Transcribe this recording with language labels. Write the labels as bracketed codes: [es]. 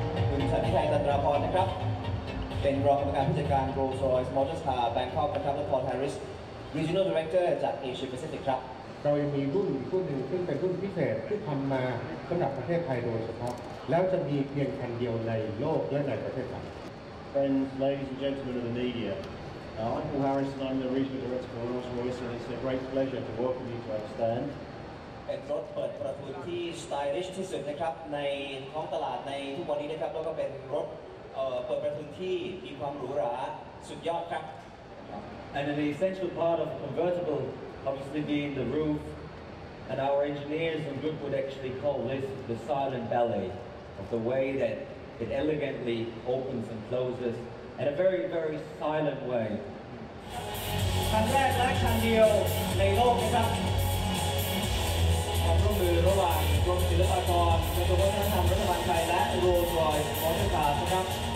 [th] คุณสันติชัยตันตราพรนะครับเป็นรองกรรมการผู้จัดการ Rolls-Royce Motors Car Bangkok นะครับและ Paul Harris Regional Director จาก Asia Pacific ครับ เรายังมีรุ่นอีกรุ่นหนึ่งซึ่งเป็นรุ่นพิเศษที่ทำมาสำหรับประเทศไทยโดยเฉพาะแล้วจะมีเพียงคันเดียวในโลกและในประเทศไทย [en] Friends, ladies and gentlemen of the media, I'm Paul Harris and I'm the regional director for Rolls-Royce and it's a great pleasure to welcome you to our stand. [th] เป็นรถเปิดประทุนที่สไตลิชที่สุดนะครับในท้องตลาดในทุกวันนี้นะครับแล้วก็เป็นรถเปิดประทุนที่มีความหรูหราสุดยอดครับ [en] And an essential part of convertibleobviously being the roof and our engineers and group would actually call this the silent ballet of the way that it elegantly opens and closes in a very very silent way [th] คันแรกและคันเดียวในโลกนะครับความร่วมมือระหว่างกรมศิลปากรกระทรวงวัฒนธรรมรัฐบาลไทยและโรลส์รอยซ์มอเตอร์คาร์นะครับ